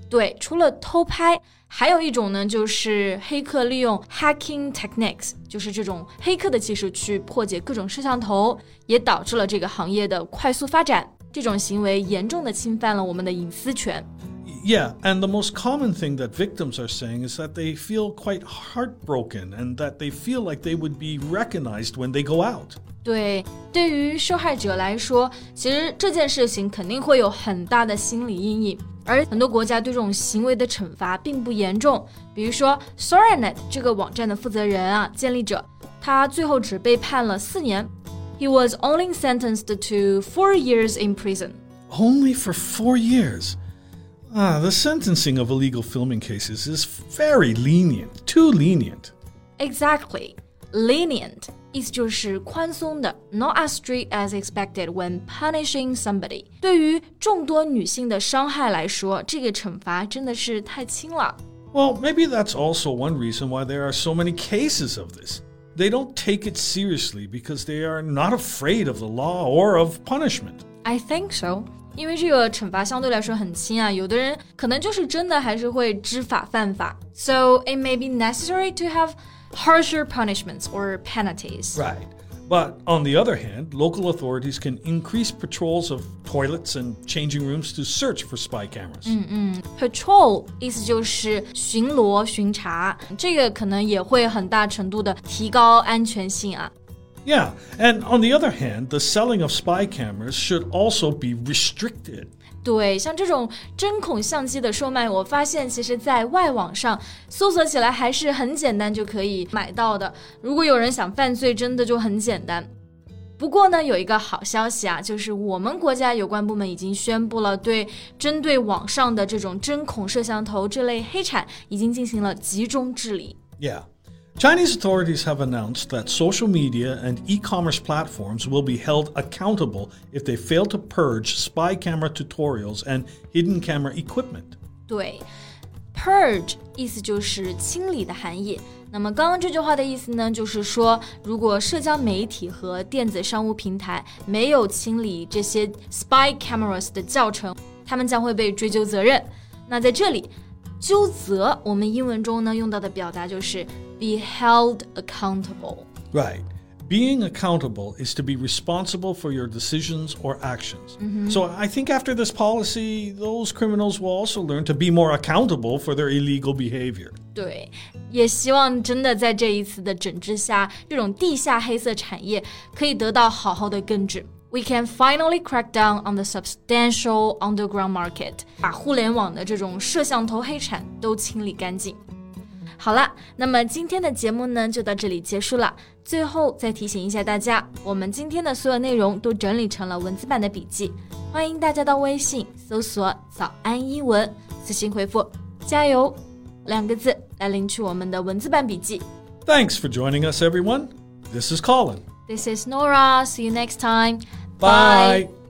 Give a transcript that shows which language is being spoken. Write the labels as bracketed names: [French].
[Chinese] 对，除了偷拍，还有一种呢，就是黑客利用 [English] hacking techniques, [Chinese] 就是这种黑客的技术去破解各种摄像头，也导致了这个行业的快速发展。这种行为严重地侵犯了我们的隐私权。 [English] Yeah, and the most common thing that victims are saying is that they feel quite heartbroken and that they feel like they would be recognized when they go out. [Chinese] 对，对于受害者来说，其实这件事情肯定会有很大的心理阴影。而很多国家对这种行为的惩罚并不严重。比如说 Soranet 这个网站的负责人啊，建立者，他最后只被判了四年。 [English] He was only sentenced to 4 years in prison. Only for 4 years? Ah, the sentencing of illegal filming cases is very lenient, too lenient. Exactly, lenient. [Chinese] 意思就是宽松的 [English] not as strict as expected when punishing somebody. [Chinese] 对于众多女性的伤害来说，这个惩罚真的是太轻了。 [English] Well, maybe that's also one reason why there are so many cases of this. They don't take it seriously because they are not afraid of the law or of punishment. I think so. [Chinese] 因为这个惩罚相对来说很轻啊，有的人可能就是真的还是会知法犯法。 [English] So it may be necessary to have... harsher punishments or penalties. Right. But on the other hand, local authorities can increase patrols of toilets and changing rooms to search for spy cameras. [Chinese] Patrol 意思就是巡逻巡查，这个可能也会很大程度的提高安全性啊。 [English] Yeah, and on the other hand, the selling of spy cameras should also be restricted. [Chinese] 对，像这种针孔相机的售卖，我发现其实在外网上搜索起来还是很简单就可以买到的。如果有人想犯罪，真的就很简单。不过呢，有一个好消息啊，就是我们国家有关部门已经宣布了对针对网上的这种针孔摄像头这类黑产已经进行了集中治理。 [English] Yeah. Chinese authorities have announced that social media and e-commerce platforms will be held accountable if they fail to purge spy camera tutorials and hidden camera equipment. [Chinese] 对 ,purge 意思就是清理的含义。那么刚刚这句话的意思呢，就是说如果社交媒体和电子商务平台没有清理这些 spy cameras 的教程，他们将会被追究责任。那在这里纠责我们英文中呢用到的表达就是 [English] Be held accountable. Right. Being accountable is to be responsible for your decisions or actions. Mm-hmm. So I think after this policy, those criminals will also learn to be more accountable for their illegal behavior. [Chinese] 对，也希望真的在这一次的整治下，这种地下黑色产业可以得到好好的根治。 [English] We can finally crack down on the substantial underground market. [Chinese] 把互联网的这种摄像头黑产都清理干净。好了，那么今天的节目呢就到这里结束了。最后再提醒一下大家，我们今天的所有内容都整理成了文字版的笔记，欢迎大家到微信搜索早安英文，私信回复加油两个字来领取我们的文字版笔记。 [English] Thanks for joining us everyone. This is Colin. This is Nora. See you next time. Bye. Bye.